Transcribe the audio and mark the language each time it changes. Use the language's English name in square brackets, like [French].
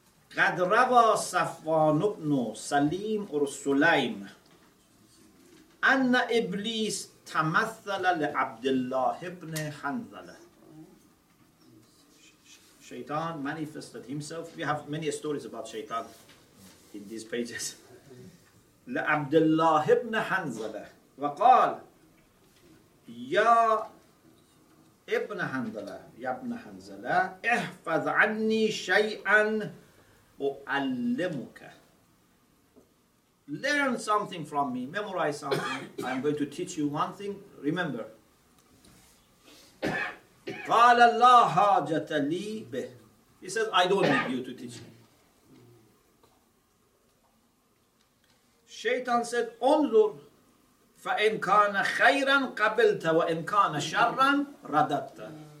[Arabic] قَدْ رَوَى صَفْوَانُ بْنُ سَلِيمٍ وَرُسُلَيْمٍ أَنَّ إِبْلِيسَ تَمَثَّلَ لِعَبْدِ اللَّهِ بْنِ حَنْظَلَةَ. [English] Shaitan manifested himself. We have many stories about Shaitan in these pages. [Arabic] لعبد الله ابن حنظلة وقال يا ابن حنظلة يا ابن حنظلة احفظ عني شيئا وعلمك. [English] Learn something from me, memorize something. I'm going to teach you one thing, remember. [Arabic] قال لا حاجة لي به. [English] He says, I don't need you to teach me. Shaitan said, [Arabic] "Onzur, فَإِنْ كَانَ خَيْرًا قَبِلْتَ وَإِنْ كَانَ شَرًا رَدَدْتَ."